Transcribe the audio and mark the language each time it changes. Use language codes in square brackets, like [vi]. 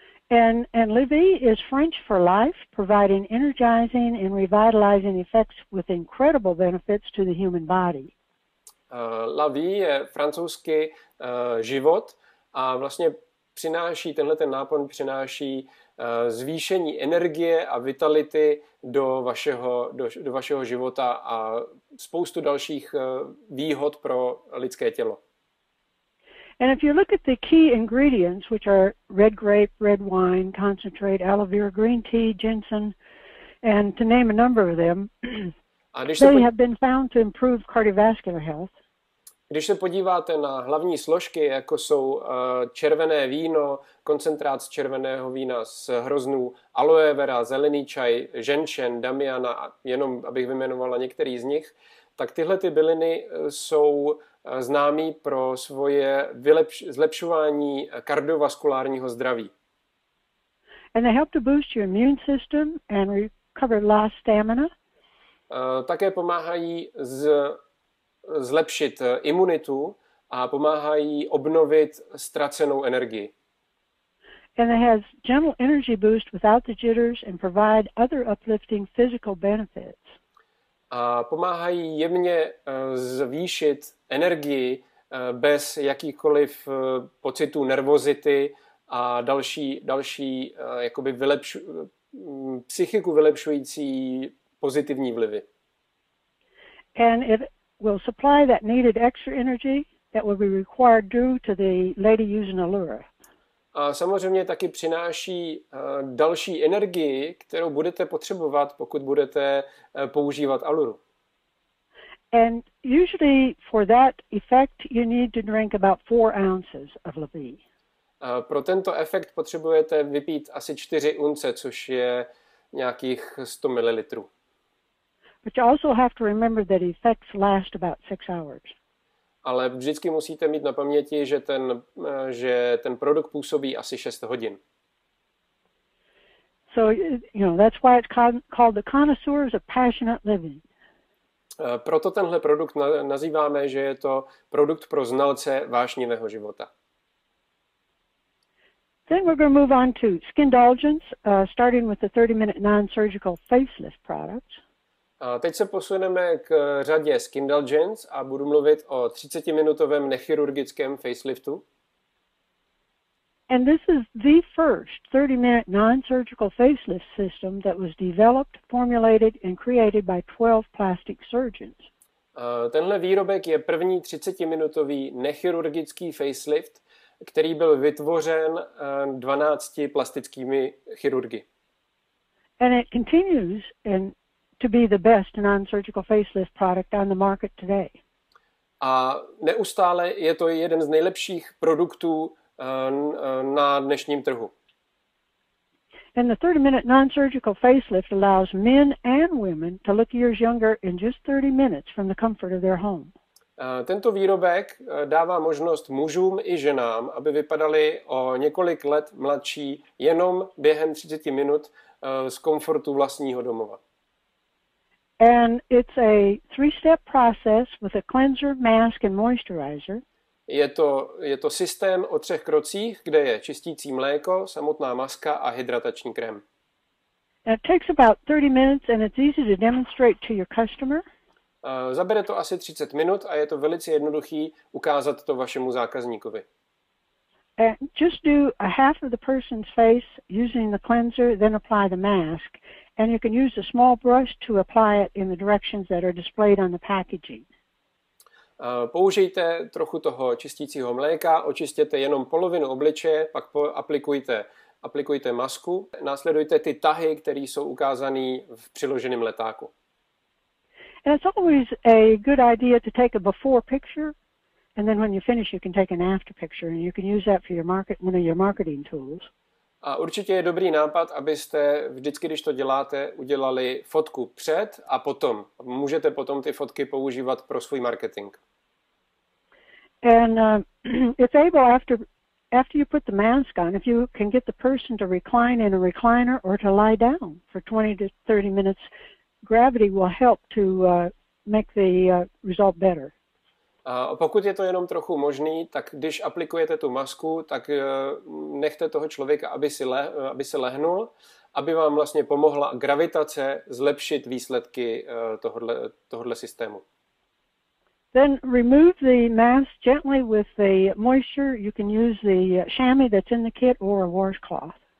[en] And Livy is French for life, providing energizing and revitalizing effects with incredible benefits to the human body. [cs] La vie je francouzsky život a vlastně přináší tenhle ten nápon přináší zvýšení energie a vitality do vašeho života a spoustu dalších výhod pro lidské tělo. [en] And if you look at the key ingredients, which are red grape, red wine, concentrate, aloe vera, green tea, ginseng, and to name a number of them, they have been found to improve cardiovascular health. [cs] Když se podíváte na hlavní složky, jako jsou červené víno, koncentrát z červeného vína, z hroznů, aloe vera, zelený čaj, ženšen, damiana, jenom abych vyjmenovala některý z nich, tak tyhle ty byliny jsou známý pro svoje zlepšování kardiovaskulárního zdraví. [en] And they help to boost your immune system and recover lost stamina. [cs] Také pomáhají zlepšit imunitu a pomáhají obnovit ztracenou energii. [en] And it has gentle energy boost without the jitters and provide other uplifting physical benefits. [cs] A pomáhají jemně zvýšit energii bez jakýchkoliv pocitů nervozity a další jakoby psychiku vylepšující pozitivní vlivy. [en] And it will supply that needed extra energy that will be required due to the lady using Allura. [cs] A samozřejmě taky přináší další energii, kterou budete potřebovat, pokud budete používat Alluru. [en] And usually for that effect you need to drink about 4 ounces of Levy. [cs] Pro tento efekt potřebujete vypít asi 4 unce, což je nějakých 100 ml. [en] But you also have to remember that effects last about 6 hours. [cs] Ale vždycky musíte mít na paměti, že ten produkt působí asi 6 hodin. [en] So, you know, that's why it's called the connoisseur's of passionate living. [cs] Proto tenhle produkt nazýváme, že je to produkt pro znalce vášnivého života. [en] Then we're going to move on to skin indulgence, starting with the 30-minute non-surgical facelift product. [cs] A teď se posuneme k řadě skindulgence a budu mluvit o 30-minutovém nechirurgickém faceliftu. [en] And this is the first 30-minute non-surgical facelift system that was developed, formulated and created by 12 plastic surgeons. [cs] Tenhle výrobek je první 30-minutový nechirurgický facelift, který byl vytvořen 12 plastickými chirurgy. [en] And it continues in to be the best non-surgical facelift product on the market today. [cs] A neustále je to jeden z nejlepších produktů na dnešním trhu. [en] And the 30-minute non-surgical facelift allows men and women to look years younger in just 30 minutes from the comfort of their home. [cs] Tento výrobek dává možnost mužům i ženám, aby vypadali o několik let mladší jenom během 30 minut z komfortu vlastního domova. [en] And it's a three-step process with a cleanser, mask and moisturizer. [cs] Je to systém o třech krocích, kde je čistící mléko, samotná maska a hydratační krém. [en] And it takes about 30 minutes and it's easy to demonstrate to your customer. [cs] Zabere to asi 30 minut a je to velice jednoduchý ukázat to vašemu zákazníkovi. [en] And just do a half of the person's face using the cleanser, then apply the mask. And you can use a small brush to apply it in the directions that are displayed on the packaging. [cs] Použijte trochu toho čistícího mléka, očistěte jenom polovinu obličeje, pak aplikujte masku. Následujte ty tahy, které jsou ukázané v přiloženém letáku. [en] And it's always a good idea to take a before picture, and then when you finish, you can take an after picture, and you can use that for one of your marketing tools. [cs] A určitě je dobrý nápad, abyste vždycky, když to děláte, udělali fotku před a potom. Můžete potom ty fotky používat pro svůj marketing. [en] And it's able after you put the mask on, if you can get the person to recline in a recliner or to lie down for 20 to 30 minutes, gravity will help to make the result better. [cs] Pokud je to jenom trochu možný, tak když aplikujete tu masku, tak nechte toho člověka, aby si lehnul, aby vám vlastně pomohla gravitace zlepšit výsledky tohohle systému. [en] Then remove the mask gently with the moisture. You can use the chamois that's in the kit or a washcloth.